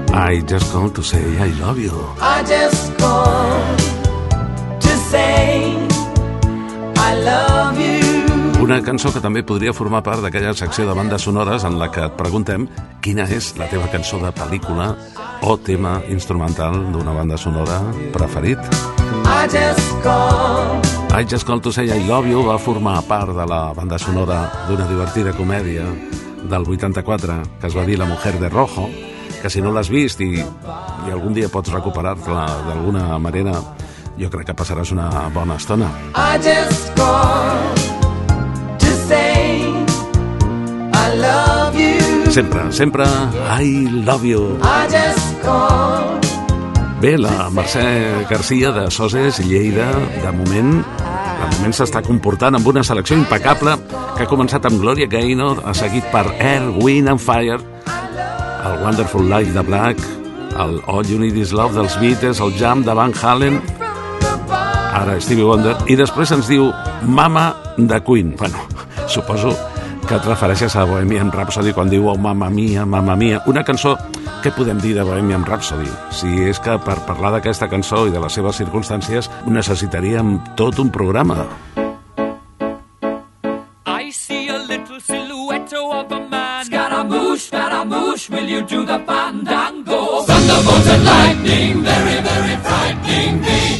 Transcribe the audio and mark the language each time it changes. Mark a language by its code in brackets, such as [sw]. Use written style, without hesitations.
[en] I just called to say I love you. I just called to say I love you. [ca] Una cançó que també podria formar part d'aquella secció de bandes sonores en la que et preguntem quina és la teva cançó de pel·lícula o tema instrumental d'una banda sonora preferit. I Just Call to Say I Love You va formar part de la banda sonora d'una divertida comèdia del 84 que es va dir La Mujer de Rojo, que si no l'has vist i algun dia pots recuperar-la d'alguna manera, jo crec que passaràs una bona estona. [en] I just call to say I love you. [ca] Sempre, sempre, [en] I love you. I just call. [ca] Bé, la Mercè García de Soses, Lleida, de moment s'està comportant amb una selecció impecable que ha començat amb Gloria Gaynor, ha seguit per Air, Wind and Fire, el Wonderful Life de Black, el All You Need Is Love dels Beatles, el Jam de Van Halen, ara Stevie Wonder, i després ens diu Mama de Queen. Bueno, suposo que et refereixes a Bohemian Rhapsody quan diu oh, Mama Mia, Mama Mia. Una cançó, què podem dir de Bohemian Rhapsody? Si és que per parlar d'aquesta cançó i de les seves circumstàncies necessitaríem tot un programa. [en] I see a little silhouette of a man. Scaramouche, Scaramouche, will you do the fandango? Thunderbolt and lightning, very, very frightening me.